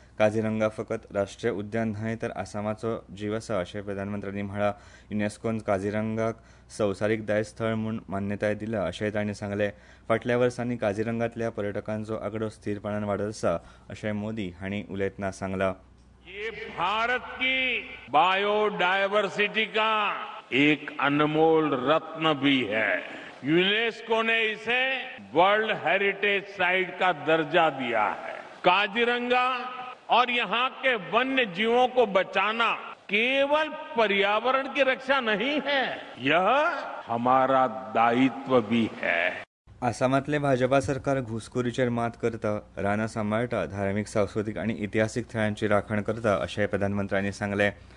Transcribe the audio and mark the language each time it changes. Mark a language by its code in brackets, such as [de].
[gom] काजीरंगा फकत राष्ट्रीय उद्यान न्हय तर आसामाचो जीव आसा अशें प्रधानमंत्र्यांनी म्हळां। युनेस्कोन काजीरंगाक संवसारीक दायज स्थळ म्हूण मान्यताय दिला अशेंय तांणी सांगले। फाटल्या वर्सांनी काजीरंगातल्या पर्यटकांचो आंकडो स्थिरपणान वाडत आसा अशेंय मोदी हांणी उलयतना सांगला। [hi] भारत की बायोडायव्हर्सिटी का एक अनमोल रत्न भी है। यूनेस्को ने इसे वर्ल्ड हेरिटेज साइट का दर्जा दिया है। काजीरंगा और यहाँ के वन्य जीवों को बचाना केवल पर्यावरण की रक्षा नहीं है, यह हमारा दायित्व भी है। [gom] आसामातले भाजपा सरकार घुसखोरीचेर मात करता, राना सांबाळटा, धार्मिक सांस्कृतिक आणि इतिहासिक थळांची राखण करता अशेंय प्रधानमंत्र्यांनी सांगले।